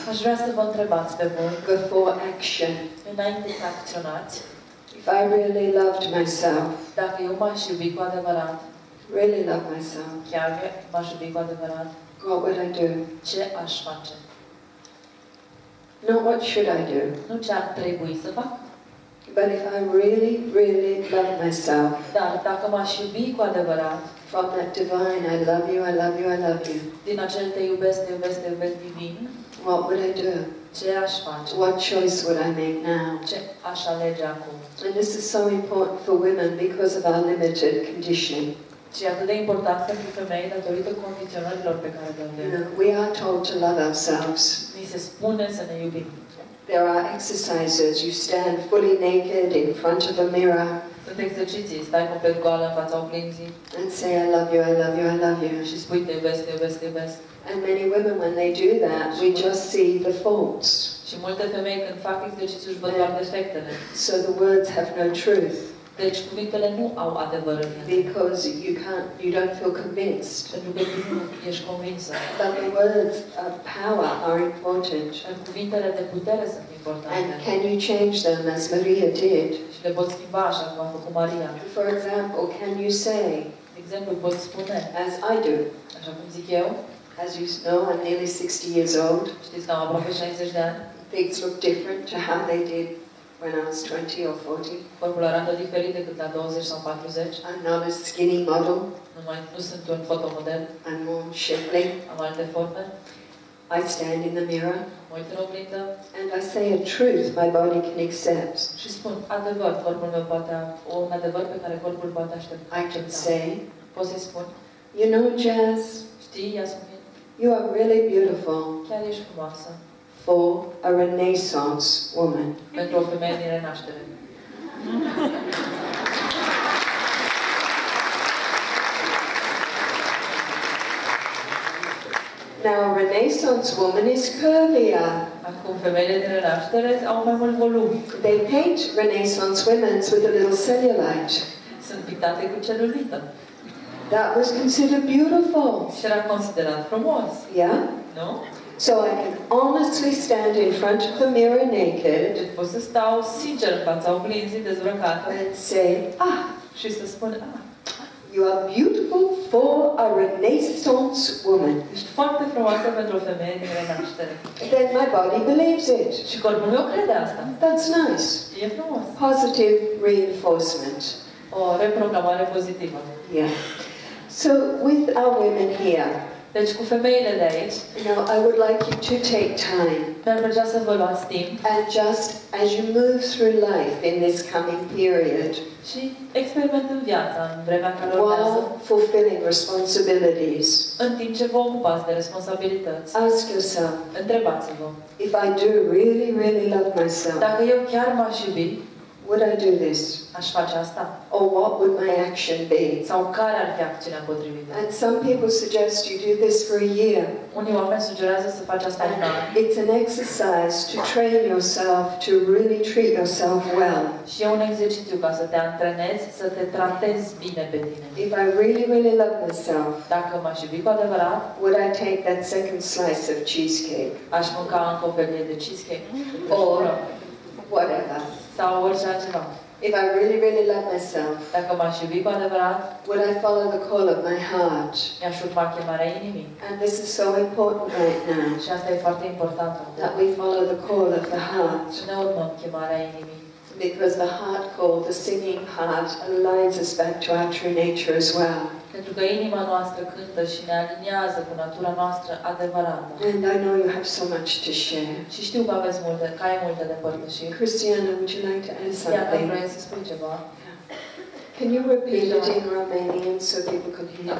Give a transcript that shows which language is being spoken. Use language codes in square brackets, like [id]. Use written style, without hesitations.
[ro] aș vrea să vă întrebați pe voi, [en] before action, [ro] înainte să acționați, [en] if I really loved myself, [ro] dacă eu m-aș iubi cu adevărat, [en] really loved myself, [ro] chiar m-aș iubi cu adevărat, [en] what would I do? [ro] Ce aș face? [en] Not what should I do? [ro] Nu ce ar trebui să fac. [en] But if I really, really love myself, [ro] dar dacă m-aș iubi cu adevărat, [en] from that divine, I love you, I love you, I love you, [ro] din acel te iubesc, te iubesc, te iubesc divin, [en] what would I do? [ro] Ce aș face? [en] What choice would I make now? [ro] Ce aș alege acum? [en] And this is so important for women because of our limited conditioning. [ro] Și atât de important pentru femei datorită condiționărilor pe care le avem. [en] We are told to love ourselves. [ro] Ni se spune să ne iubim. [en] There are exercises. You stand fully naked in front of a mirror. [ro] Sunt exerciții. Stai complet goală în fața oglinzii. [en] And say, I love you, I love you, I love you. [ro] Și spui, te iubesc, te iubesc, te iubesc. [en] And many women, when they do that, we just see the faults. [ro] Și multe femei, când fac exerciții, își văd doar defectele. [en] So the words have no truth. [ro] Deci cuvintele nu au adevăr în ele. [en] Because you don't feel convinced. [ro] Pentru că tu nu ești convinsă. [en] But the words of power are important. [ro] Cuvintele de putere sunt importante. [en] And can you change them as Maria did? [ro] Și le poți schimba așa cum a făcut Maria. [en] For example, can you say? [ro] De exemplu, poți spune. [en] As I do. [ro] Așa cum zic eu. [en] As you know, I'm nearly 60 years old. [ro] Știți că am aproape 60 de ani. [en] Things look different to how they did when I was 20 or 40. [ro] Corpul arată diferit decât la 20 sau 40. [en] I'm not a skinny model. [ro] Nu sunt un fotomodel. [en] I'm more shapely. [ro] Am alte forme. [en] I stand in the mirror. [ro] Mă uit în oglindă. [en] And I say a truth my body can accept. [ro] Și spun adevăr, corpul meu poate, o adevăr pe care corpul poate aștepta. [en] I can say. [ro] Pot să-i spun. [en] You know, Jazz. [ro] Știi, Jasmuheen. [en] You are really beautiful. [ro] Chiar ești frumoasă. [en] For a Renaissance woman. [ro] Pentru o femeie din renaștere. [en] Now a Renaissance woman is curvier. [ro] Acum femeile din Renaștere au mai mult volum. [en] They paint Renaissance women with a little cellulite. [ro] Sunt pictate cu celulită. [en] That was considered beautiful. [ro] Și era considerat frumos. [en] Yeah? No? So I can honestly stand in front of the mirror naked. [ro] Pot să stau sincer în fața oglinzii dezbrăcată. [en] And say, ah. [ro] Și să spun, ah. [en] You are beautiful for a Renaissance woman. [ro] Ești foarte frumoasă pentru o femeie din Renaștere. [en] Then my body believes it. [ro] Și corpul meu crede asta. [en] That's nice. [ro] E frumos. [en] Positive reinforcement. [ro] O reprogramare pozitivă. [en] Yeah. So with our women here. [ro] Deci cu femeile de aici. [en] Now I would like you to take time. [ro] Mi-ar plăcea să vă luați timp. [en] And just as you move through life in this coming period. [ro] Și experimentând viața în vremea care urmează. [en] While fulfilling responsibilities. [ro] În timp ce vă ocupați de responsabilități. [en] Ask yourself. [ro] Întrebați-vă. [en] If I do really, really love myself. [ro] Dacă eu chiar m-aș iubi. [en] Would I do this? [ro] Aș face asta. [en] Or what would my action be? [ro] Sau care ar fi acțiunea potrivită? [en] And some people suggest you do this for a year. [ro] Unii oameni sugerează să faci asta un an. [en] It's an exercise to train yourself to really treat yourself well. [ro] Și e un exercițiu ca să te antrenezi, să te tratezi bine pe tine. [en] If I really, really love myself, [ro] dacă m-aș iubi cu adevărat, [en] would I take that second slice of cheesecake? [ro] Aș mânca încă o felie de cheesecake. [en] Or whatever. [ro] Sau orice altceva. [en] If I really, really love myself, [ro] dacă m-aș iubi cu adevărat, [en] would I follow the call of my heart? [ro] Mi-aș urma chemarea inimii. [en] And this is so important right now. [ro] Și asta e foarte important. [en] That we follow the call of the heart. [ro] Ne urmăm chemarea inimii. [en] Because the heart call, the singing heart, aligns us back to our true nature as well. [ro] Pentru că inima noastră cântă și ne aliniază cu natura noastră adevărată. [en] And I know you have so much to share. [ro] Și știu că aveți multe, că ai multe de împărtășit. [en] Christiana, would you like to add something? [ro] Iată, vreau să spun ceva. [en] Can you repeat it in Romanian so people can hear?